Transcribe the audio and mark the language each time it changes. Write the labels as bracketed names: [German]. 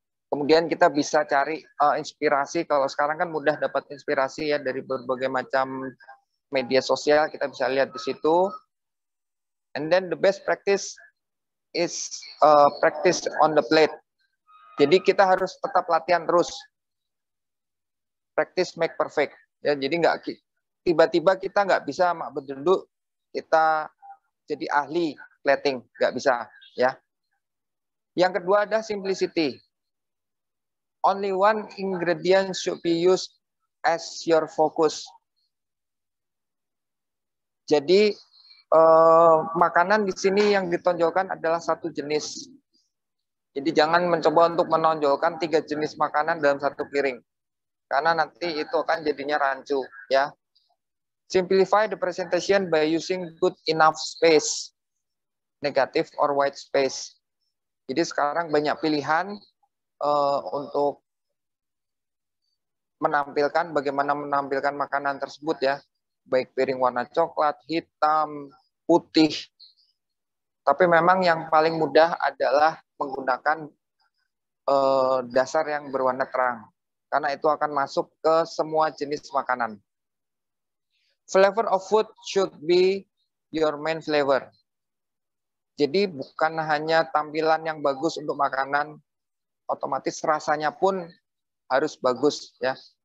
[Indonesian] Kemudian kita bisa cari inspirasi, kalau sekarang kan mudah dapat inspirasi ya dari berbagai macam media sosial, kita bisa lihat di situ. [English] And then the best practice is practice on the plate. [Indonesian] Jadi kita harus tetap latihan terus. [English] Practice make perfect. [Indonesian] Ya, jadi nggak tiba-tiba kita nggak bisa mak berduduk kita jadi ahli plating, nggak bisa ya. Yang kedua ada simplicity. [English] Only one ingredient should be used as your focus. [Indonesian] Jadi makanan di sini yang ditonjolkan adalah satu jenis. Jadi jangan mencoba untuk menonjolkan tiga jenis makanan dalam satu piring. Karena nanti itu akan jadinya rancu, ya. [English] Simplify the presentation by using good enough space. Negative or wide space. [Indonesian] Jadi sekarang banyak pilihan untuk menampilkan bagaimana menampilkan makanan tersebut ya. Baik piring warna coklat, hitam, putih, tapi memang yang paling mudah adalah menggunakan dasar yang berwarna terang, karena itu akan masuk ke semua jenis makanan. [English] Flavor of food should be your main flavor. [Indonesian] Jadi bukan hanya tampilan yang bagus untuk makanan, otomatis rasanya pun harus bagus ya.